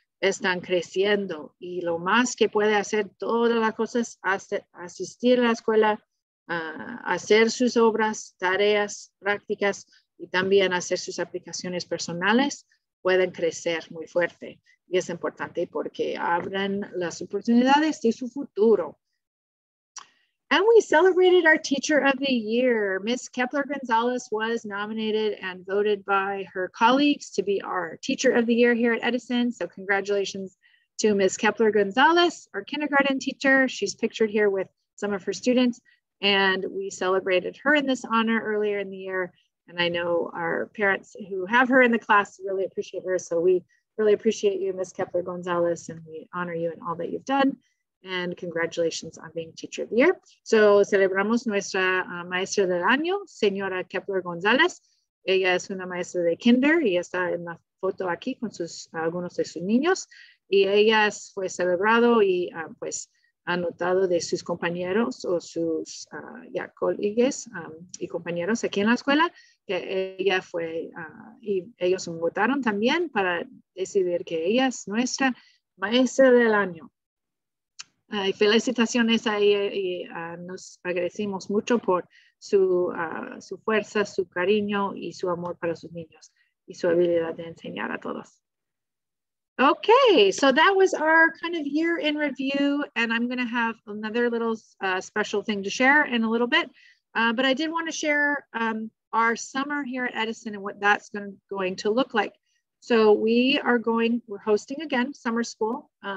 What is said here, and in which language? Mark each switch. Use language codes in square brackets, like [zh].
[es] Están creciendo y lo más que puede hacer todas las cosas es asistir a la escuela, hacer sus obras, tareas, prácticas y también hacer sus aplicaciones personales, pueden crecer muy fuerte. Y es importante porque abren las oportunidades de su futuro. [en] And we celebrated our Teacher of the Year. Ms. Kepler-Gonzalez was nominated and voted by her colleagues to be our Teacher of the Year here at Edison. So congratulations to Ms. Kepler-Gonzalez, our kindergarten teacher. She's pictured here with some of her students. And we celebrated her in this honor earlier in the year. And I know our parents who have her in the class really appreciate her. So we really appreciate you, Ms. Kepler-Gonzalez, and we honor you and all that you've done. And congratulations on being Teacher of the Year. [es] So celebramos nuestra maestra del año, señora Kepler-Gonzalez. Ella es una maestra de kinder y está en la foto aquí con sus, algunos de sus niños. Y ella fue celebrado y pues anotado de sus compañeros o sus colegas y compañeros aquí en la escuela, que ella fue, y ellos votaron también para decidir que ella es nuestra maestra del año. Y felicitaciones a ella y nos agradecemos mucho por su, su fuerza, su cariño y su amor para sus niños y su habilidad de enseñar a todos. [en] Okay, so that was our kind of year in review, and I'm going to have another little special thing to share in a little bit, but I did want to share our summer here at Edison and what that's going to look like. So we are going, we're hosting again summer school.